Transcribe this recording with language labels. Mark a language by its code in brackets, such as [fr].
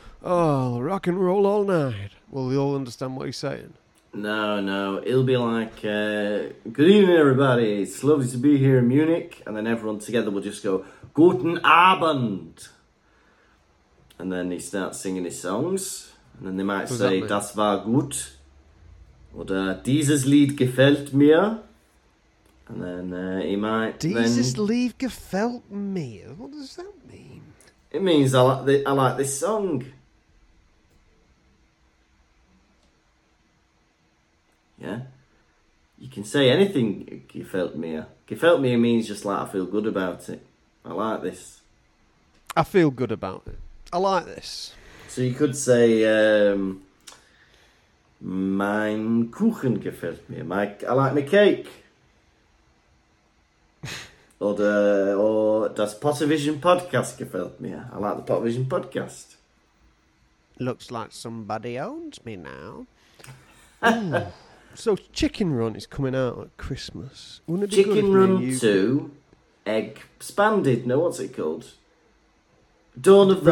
[en] Oh, rock and roll all night. Will they all understand what he's saying? No. It'll be like, good evening, everybody. It's lovely to be here in Munich. And then everyone together will just go, [de] Guten Abend. [en] And then he starts singing his songs. And then they might what say, [de] Das war gut. Oder dieses Lied gefällt mir. [en] And then he might [de] Dieses Lied gefällt mir. [en] What does that mean? It means I like this song. Yeah, you can say anything, [de] gefällt mir. Gefällt mir [en] means just like, I feel good about it. I like this. I feel good about it. I like this. So you could say, [de] mein Kuchen gefällt mir. [en] I like my cake. or [de] das Pottervision Podcast gefällt mir. [en] I like the Pottervision Podcast. Looks like somebody owns me now. So Chicken Run is coming out at Christmas. Wouldn't it be Chicken good Run you... 2, Egg Spanded. No, what's it called? Dawn of the